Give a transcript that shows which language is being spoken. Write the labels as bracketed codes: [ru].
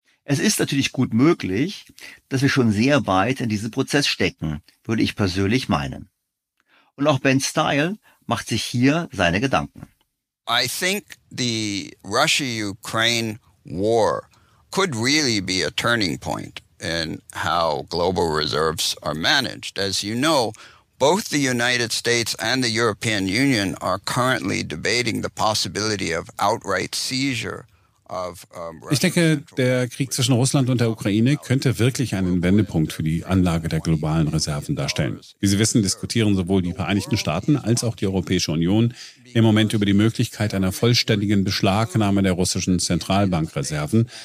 [de] Es ist natürlich gut möglich, dass wir schon sehr weit in diesen Prozess stecken, würde ich persönlich meinen. Und auch Ben Stile macht sich hier seine Gedanken. [en] I think the Russia-Ukraine war could really be a turning point in how global reserves are managed. As you know, both the United States and the European Union are currently debating the possibility of outright seizure. [de] Ich denke, der Krieg zwischen Russland und der Ukraine könnte wirklich einen Wendepunkt für die Anlage der globalen Reserven darstellen. Wie Sie wissen, diskutieren sowohl die Vereinigten Staaten als auch die Europäische Union im Moment über die Möglichkeit einer vollständigen Beschlagnahme der russischen Zentralbankreserven.